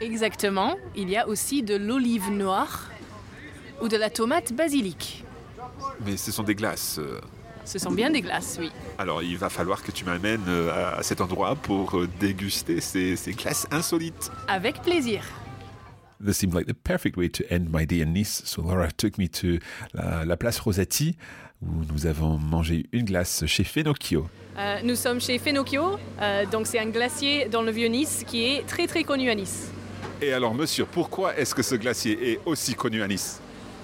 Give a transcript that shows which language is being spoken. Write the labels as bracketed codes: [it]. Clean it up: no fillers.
[fr] Exactement. Il y a aussi de l'olive noire ou de la tomate basilic. Mais ce sont des glaces. Ce sont bien des glaces, oui. Alors, il va falloir que tu m'amènes à cet endroit pour déguster ces glaces insolites. Avec plaisir. [en] This seemed like the perfect way to end my day in Nice. So Laura took me to la place Rosati, [fr] où nous avons mangé une glace chez Fenocchio. Nous sommes chez Fenocchio, donc c'est un glacier dans le vieux Nice qui est très très connu à Nice. Et alors monsieur, pourquoi est-ce que ce glacier est aussi connu à Nice ?